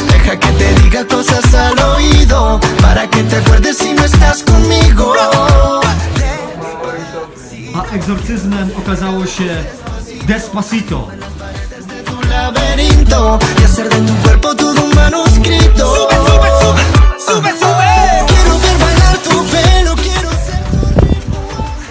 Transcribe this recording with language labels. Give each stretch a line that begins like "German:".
Spanish: Deja que te diga cosas al oído. Para que te acuerdes si no estás conmigo.
Polish: A egzorcyzmem okazało się Despacito.
Spanish: Laberinto y hacer de tu cuerpo todo un manuscrito. Sube, sube, sube, sube, sube. Quiero ver bailar tu pelo, quiero ser tu ritmo.